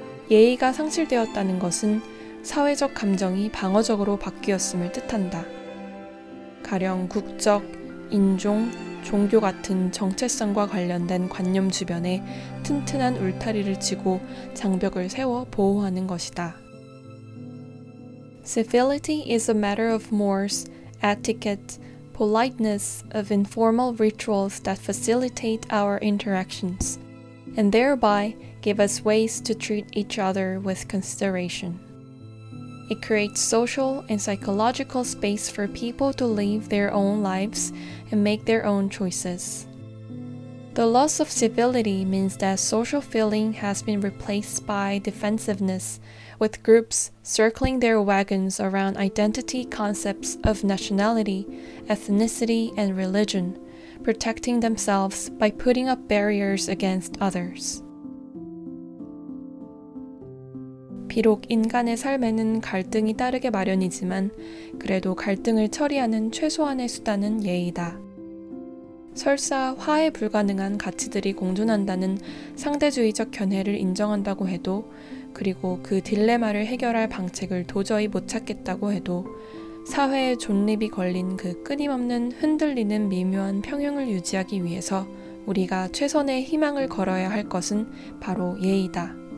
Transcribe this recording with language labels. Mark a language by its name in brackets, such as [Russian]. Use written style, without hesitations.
[Korean] 예의가 상실되었다는 것은 사회적 감정이 방어적으로 바뀌었음을 뜻한다. 가령 국적, 인종, 종교 같은 정체성과 관련된 관념 주변에 튼튼한 울타리를 치고 장벽을 세워 보호하는 것이다. [English] Civility is a matter of mores, etiquette, politeness, of informal rituals that facilitate our interactions, and thereby give us ways to treat each other with consideration. It creates social and psychological space for people to live their own lives and make their own choices. The loss of civility means that social feeling has been replaced by defensiveness, with groups circling their wagons around identity concepts of nationality, ethnicity, and religion, protecting themselves by putting up barriers against others. [Korean] 비록 인간의 삶에는 갈등이 따르게 마련이지만 그래도 갈등을 처리하는 최소한의 수단은 예의다. 설사 화해 불가능한 가치들이 공존한다는 상대주의적 견해를 인정한다고 해도 그리고 그 딜레마를 해결할 방책을 도저히 못 찾겠다고 해도 사회의 존립이 걸린 그 끊임없는 흔들리는 미묘한 평형을 유지하기 위해서 우리가 최선의 희망을 걸어야 할 것은 바로 예의다.